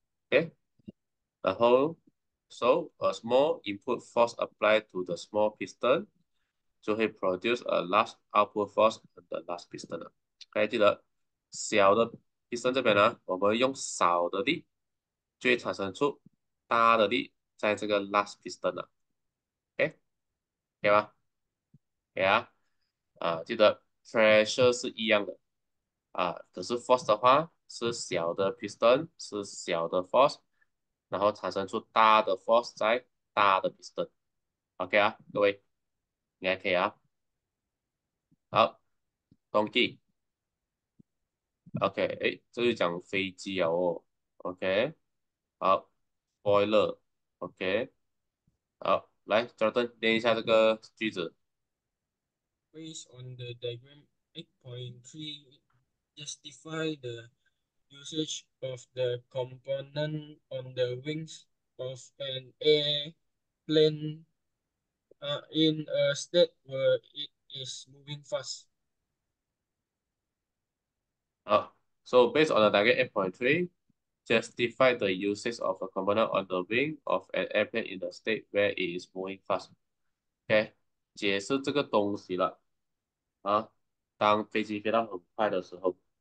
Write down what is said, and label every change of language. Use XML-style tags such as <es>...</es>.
<en>，OK，然后，so a small input force applied to the small piston 就会 produce a large output force on the large piston 了，OK，记得小的 piston 这边呢，</en> <zh>我们用少的力就会产生出大的力在这个</zh> <en>large piston 了。</en> <zh>对吧？对啊，记得 pressure 是一样的可是 force 的话是小的 piston 是小的 force，然后产生出大的 force 在大的 piston。 OK 啊，各位应该可以啊。好，动机。OK，这就讲飞机啊哦。 OK，好，boiler。OK，好。来，Jordan，念一下这个句子。</zh> <en>Based on the diagram 8.3, justify the usage of the component on the wings of an airplane in a state where it is moving fast. So based on the diagram 8.3。 Justify the usage of a component on the wing of an airplane in the state where it is moving fast.</en> <zh>OK，解释这个东西了。当飞机飞到很快的时候。</zh>